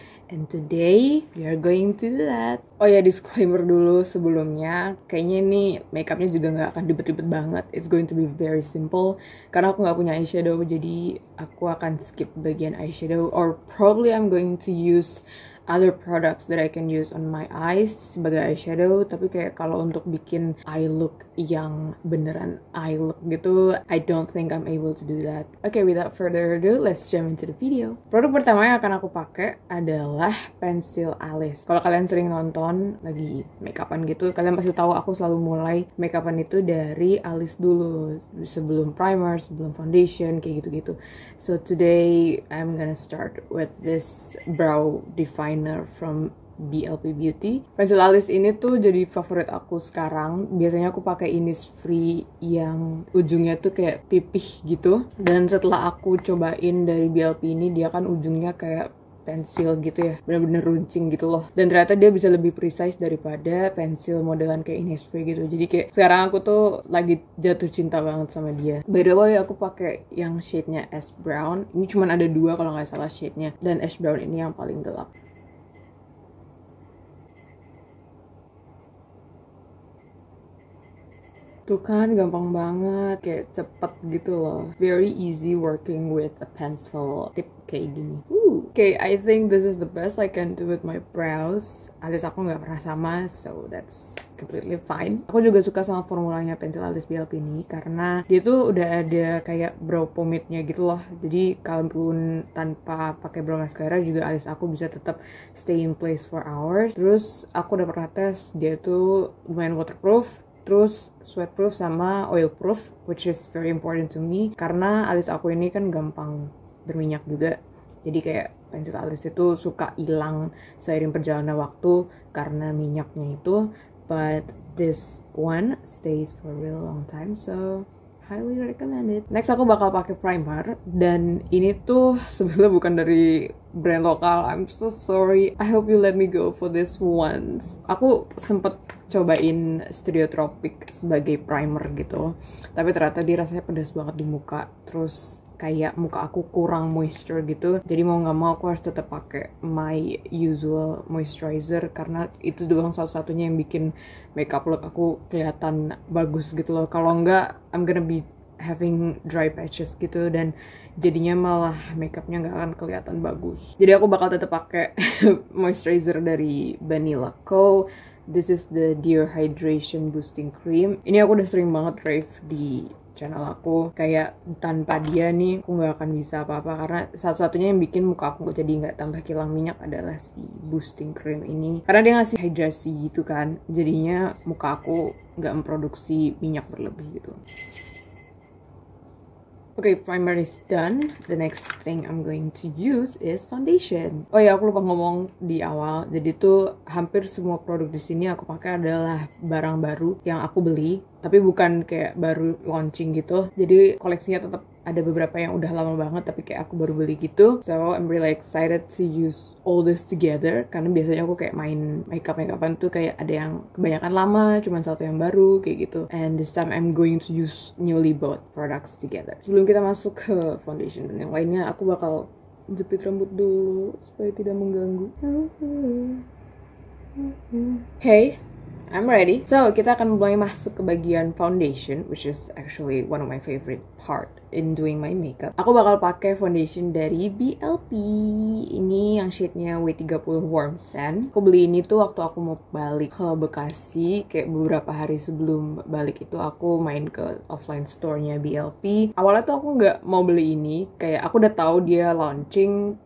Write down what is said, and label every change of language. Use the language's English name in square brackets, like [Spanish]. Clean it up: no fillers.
[English] And today, we are going to do that. [Indonesian] Oh ya, disclaimer dulu sebelumnya. Kayaknya ini makeupnya juga gak akan ribet-ribet banget. [English] It's going to be very simple. [Indonesian] Karena aku gak punya eyeshadow, jadi aku akan skip bagian eyeshadow. [English] Or probably I'm going to use other products that I can use on my eyes [Indonesian] sebagai eyeshadow. Tapi kayak kalau untuk bikin eye look yang beneran eye look gitu, [English] I don't think I'm able to do that. Okay, without further ado, let's jump into the video. [Indonesian] Produk pertama yang akan aku pakai adalah pensil alis. Kalau kalian sering nonton lagi makeupan gitu, kalian pasti tahu aku selalu mulai makeupan itu dari alis dulu, sebelum primer, sebelum foundation, kayak gitu-gitu. [English] So today I'm gonna start with this brow define from BLP Beauty. [Indonesian] Pensil alis ini tuh jadi favorit aku sekarang. Biasanya aku pakai Innisfree yang ujungnya tuh kayak pipih gitu. Dan setelah aku cobain dari BLP ini, dia kan ujungnya kayak pensil gitu ya, benar-benar runcing gitu loh. Dan ternyata dia bisa lebih precise daripada pensil modelan kayak Innisfree gitu. Jadi kayak sekarang aku tuh lagi jatuh cinta banget sama dia. By the way, aku pakai yang shade-nya Ash Brown. Ini cuma ada dua kalau nggak salah shade-nya. Dan Ash Brown ini yang paling gelap. Tuh kan gampang banget, kayak cepet gitu loh. [English] Very easy working with a pencil tip [Indonesian] kayak gini. [English] Okay, I think this is the best I can do with my brows. [Indonesian] Alis aku gak pernah sama, [English] so that's completely fine. [Indonesian] Aku juga suka sama formulanya pensil alis BLP ini karena dia tuh udah ada kayak brow pomade-nya gitu loh. Jadi kalaupun tanpa pakai brow mascara juga alis aku bisa tetap [English] stay in place for hours. [Indonesian] Terus aku udah pernah tes, dia tuh lumayan waterproof. [English] Terus sweatproof sama oilproof, which is very important to me. [Indonesian] Karena alis aku ini kan gampang berminyak juga. Jadi kayak pensil alis itu suka hilang seiring perjalanan waktu karena minyaknya itu. [English] But this one stays for a really long time, so highly recommended. [Indonesian] Next aku bakal pakai primer. Dan ini tuh sebenarnya bukan dari brand lokal. [English] I'm so sorry. I hope you let me go for this once. [Indonesian] Aku sempet cobain Studiotropic sebagai primer gitu. Tapi ternyata dia rasanya pedas banget di muka. Terus kayak muka aku kurang moisture gitu. Jadi mau gak mau aku harus tetap pakai [English] my usual moisturizer. [Indonesian] Karena itu doang satu-satunya yang bikin makeup look aku kelihatan bagus gitu loh. Kalau enggak, [English] I'm gonna be having dry patches gitu. [Indonesian] Dan jadinya malah makeupnya gak akan kelihatan bagus. Jadi aku bakal tetap pakai moisturizer dari Vanilla Co. [English] This is the Dear Hydration Boosting Cream. [Indonesian] Ini aku udah sering banget rave di channel aku. Kayak tanpa dia nih aku gak akan bisa apa-apa. Karena satu-satunya yang bikin muka aku jadi gak tambah kilang minyak adalah si Boosting Cream ini. Karena dia ngasih hidrasi gitu kan. Jadinya muka aku gak memproduksi minyak berlebih gitu. [English] Okay, primer is done. The next thing I'm going to use is foundation. [Indonesian] Oh ya, aku lupa ngomong di awal. Jadi tuh hampir semua produk di sini aku pakai adalah barang baru yang aku beli, tapi bukan kayak baru launching gitu. Jadi koleksinya tetap ada beberapa yang udah lama banget, tapi kayak aku baru beli gitu. [English] So I'm really excited to use all this together. [Indonesian] Karena biasanya aku kayak main makeup-makeupan tuh kayak ada yang kebanyakan lama, cuman satu yang baru, kayak gitu. [English] And this time I'm going to use newly bought products together. [Indonesian] Sebelum kita masuk ke foundation dan yang lainnya, aku bakal jepit rambut dulu supaya tidak mengganggu. [English] Hey, I'm ready. So [Indonesian] kita akan mulai masuk ke bagian foundation, [English] which is actually one of my favorite part in doing my makeup. [Indonesian] Aku bakal pakai foundation dari BLP. Ini yang shade-nya W30 Warm Sand. Aku beli ini tuh waktu aku mau balik ke Bekasi. Kayak beberapa hari sebelum balik itu aku main ke offline store-nya BLP. Awalnya tuh aku nggak mau beli ini. Kayak aku udah tahu dia launching.